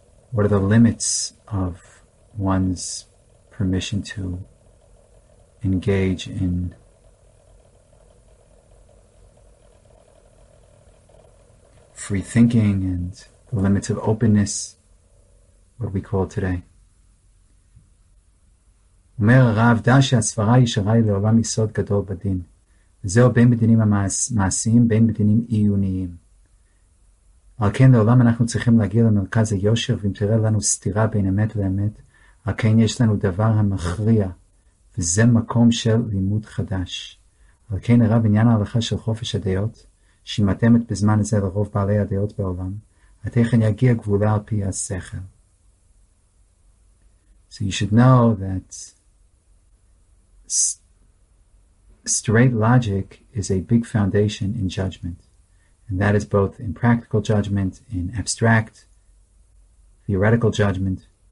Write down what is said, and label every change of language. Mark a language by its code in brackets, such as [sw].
[en] What are the limits of one's permission to engage in free thinking and the limits of openness, what we call today? [he] אומר הרב, דע שהסברה היא שראי לעולם יסוד גדול בדין. וזהו בין בדינים המעשיים, בין בדינים עיוניים. על כן לעולם אנחנו צריכים להגיע למרכז היושר, ואם תראה לנו סתירה בין אמת לאמת, על כן יש לנו דבר המכריע, וזה מקום של לימוד חדש. על כן הרב, עניין ההלכה של חופש הדעות, שמתאמת בזמן הזה לרוב בעלי הדעות בעולם, התכן יגיע גבולה על פי השכל. [en] So you should know that straight logic is a big foundation in judgment. And that is both in practical judgment, in abstract, theoretical judgment.